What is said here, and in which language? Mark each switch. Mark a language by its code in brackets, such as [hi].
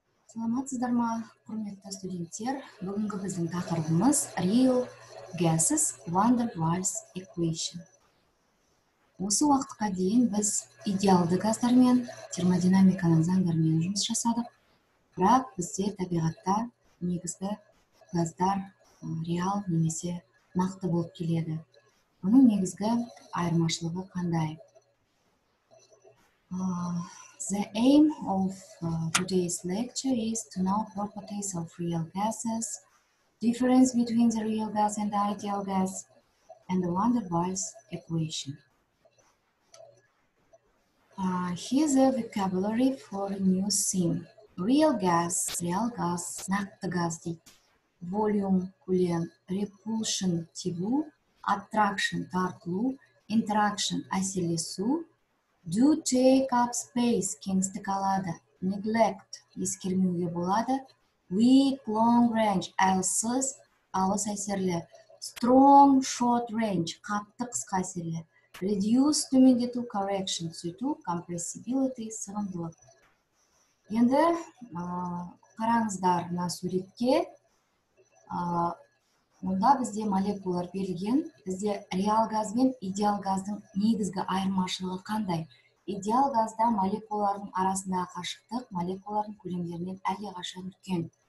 [kk] Саламатсыздар ма, құрметті студенттер. Бүгінгі біздің тақырыбымыз Real Gases Van der Waals Equation. Осы уақытқа дейін біз идеалды газдар мен термодинамиканың заңдарымен жұмыс жасадық. Бірақ бізде табиғатта негізгі газдар реал немесе нақты болып келеді. Оның негізгі айырмашылығы қандай? [en] The aim of today's lecture is to know properties of real gases, difference between the real gas and the ideal gas, and the Van der Waals equation. Here's a vocabulary for a new theme. [kk] Real gas, нақты газ дейді. Volume, көлем, repulsion, тебу, attraction, тартылу, interaction, әсерлесу, do take up space, кеңістік алады, neglect, ескермеуге болады, weak, long range, әлсіз, алыс әсерлі, strong, short range, қатты қысқа әсерлі, reduce, төмендету, correction, түзету, compressibility, сығымдылық. Енді қараңыздар мына суретке, мұнда бізде молекулалар берілген, бізде реал газ бен идеал газдың негізгі айырмашылығы қандай? Идеал газда молекулалардың арасындағы қашықтық молекулалардың көлемдерінен әлдеқашан үлкен.